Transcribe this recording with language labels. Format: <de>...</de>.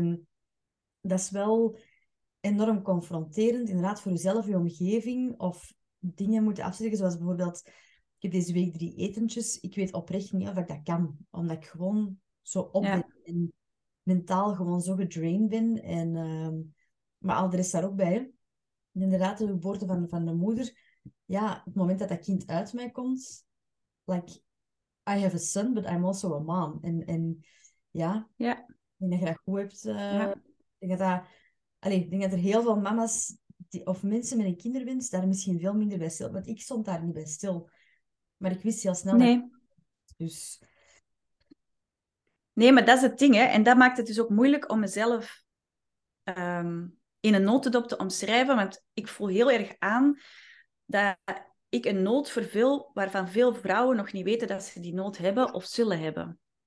<nl>En dat is wel enorm confronterend, inderdaad, voor jezelf, je omgeving, of dingen moeten afzeggen, zoals bijvoorbeeld, ik heb deze week 3 etentjes. Ik weet oprecht niet of ik dat kan, omdat ik gewoon zo op ben en mentaal gewoon zo gedrained ben. En, maar al de rest daar ook bij, hè. Inderdaad, de geboorte van de moeder. Ja, het moment dat dat kind uit mij komt.</nl> <en>I have a son, but I'm also a mom.</en> <nl>En ja. Ja. Ik denk dat je dat goed hebt. Ik denk dat er heel veel mama's of mensen met een kinderwens daar misschien veel minder bij stil. Want ik stond daar niet bij stil. Maar ik wist heel snel nee. Dus. Nee, maar dat is het ding, hè. En dat maakt het dus ook moeilijk om mezelf... in een notendop te omschrijven, want ik voel heel erg aan dat ik een nood vervul waarvan veel vrouwen nog niet weten dat ze die nood hebben of zullen hebben.</nl>